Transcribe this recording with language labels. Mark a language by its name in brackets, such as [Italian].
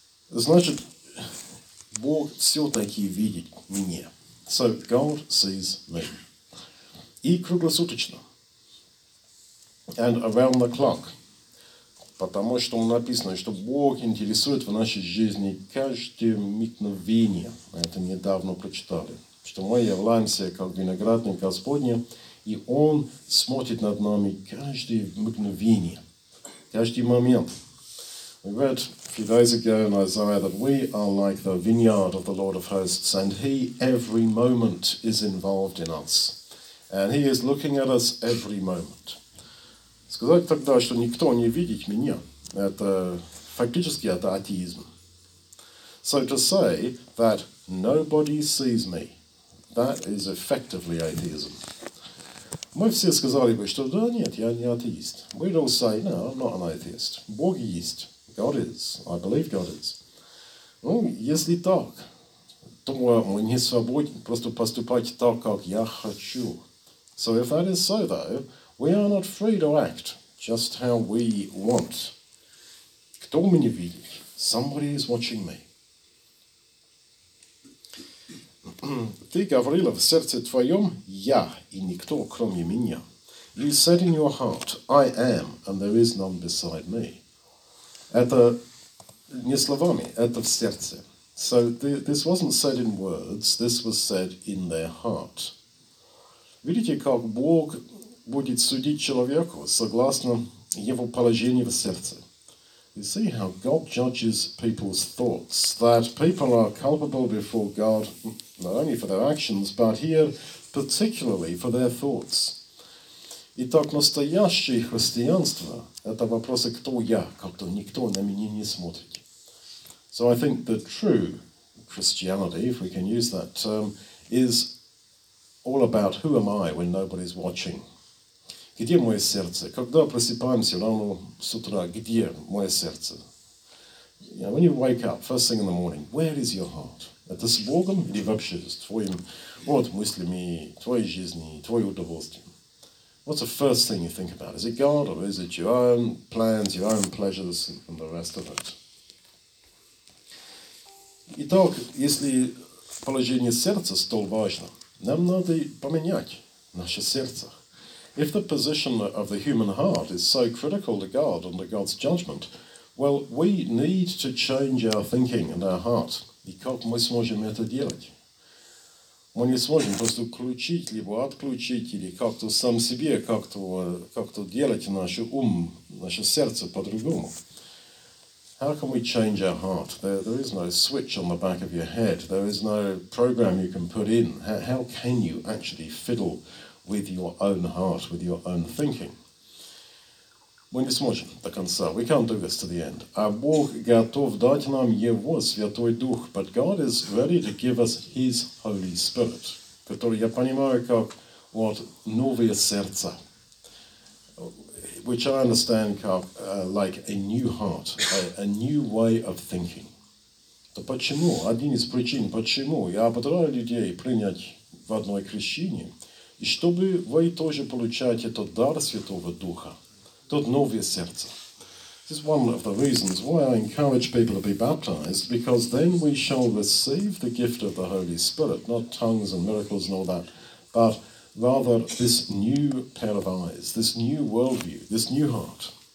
[Russian] Значит, Бог все-таки видит меня. [English] So, God sees me. [Russian] И круглосуточно. [English] And around the clock. [Russian] Потому что написано, что Бог интересует в нашей жизни каждое мгновение. Это недавно прочитали. Что мы являемся как виноградник Господня, и Он смотрит над нами каждое мгновение. Каждый момент. [English] We read a few days ago in Isaiah that we are like the vineyard of the Lord of hosts, and He every moment is involved in us. And He is looking at us every moment. [Russian] Сказать тогда, что никто не видит меня, это фактически это атеизм. [English] So to say that nobody sees me, that is effectively atheism. [Russian] Мы все сказали бы, что да, нет, я не атеист. [English] We'd all say, no, I'm not an atheist. [Russian] Бог есть. [English] God is. I believe God is. [Russian] Ну, если так, то мы не свободны просто поступать так, как я хочу. [English] So if that is so, though, we are not free to act just how we want. [Russian] Кто меня видит? [English] Somebody is watching me. [Russian] Ты говорила в сердце твоем, я и никто, кроме меня. [English] You said in your heart, I am, and there is none beside me. [Russian] Это не словами, это в сердце. [English] So this wasn't said in words, this was said in their heart. [Russian] Видите, как Бог будет судить человеку согласно его положению в сердце. [English] You see how God judges people's thoughts, that people are culpable before God, not only for their actions, but here particularly for their thoughts. [Russian] Итак, настоящее христианство – это вопросы «кто я?», как-то никто на меня не смотрит. [English] So I think the true Christianity, if we can use that term, is all about who am I when nobody's watching. [Russian] Где мое сердце? Когда просыпаемся рано с утра, где мое сердце? [English] You know, when you wake up, first thing in the morning, where is your heart? [Russian] Это с Богом или вообще с твоим вот, мыслями, твоей жизни, твоим удовольствием? [English] What's the first thing you think about? Is it God or is it your own plans, your own pleasures and the rest of it? [Russian] Итак, если положение сердца столь важно, нам надо поменять наше сердце. [English] If the position of the human heart is so critical to God and to God's judgment, well, we need to change our thinking and our heart. [Russian] И как мы сможем это делать? Мы не сможем просто включить, либо отключить, или как-то сам себе, как-то делать наш ум, наше сердце по-другому. [English] How can we change our heart? There is no switch on the back of your head. There is no program you can put in. How can you actually fiddle with your own heart, with your own thinking? [Russian] Мы не сможем до конца. [English] We can't do this to the end. [Russian] А Бог готов дать нам Его Святой Дух. [English] But God is ready to give us His Holy Spirit, [Russian] который я понимаю как вот новое сердце, [English] which I understand [Russian] как [English] like a new heart, a new way of thinking. [Russian] То почему? Один из причин, почему я ободраю людей принять в одной крещении, и чтобы вы тоже получать этот дар Святого Духа, тот новое сердце. [English] This is one of the reasons why I encourage people to be baptized, because then we shall receive the gift of the Holy Spirit, not tongues and miracles and all that, but rather this new pair of eyes, this new worldview, this new heart.